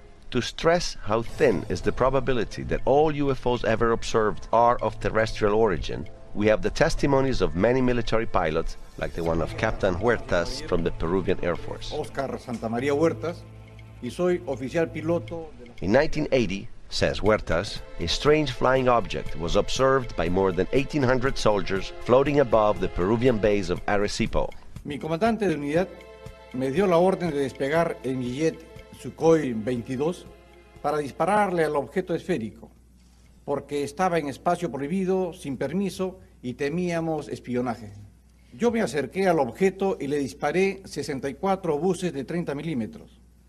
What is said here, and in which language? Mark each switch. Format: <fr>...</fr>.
<en>To stress how thin is the probability that all UFOs ever observed are of terrestrial origin, we have the testimonies of many military pilots, like the one of Captain Huertas from the Peruvian Air Force.</en> <es>Oscar Santa Maria Huertas, y soy oficial piloto.</es> <en>In 1980, says Huertas, a strange flying object was observed by more than 1,800 soldiers floating above the Peruvian base of Arecibo.</en> <es>Mi comandante de unidad me dio la orden de despegar en mi jet. Sukhoi 22 para dispararle al objeto esférico porque estaba en espacio prohibido sin permiso y temíamos espionaje. Yo me acerqué al objeto y le disparé 64 obuses de 30 milímetros.</es>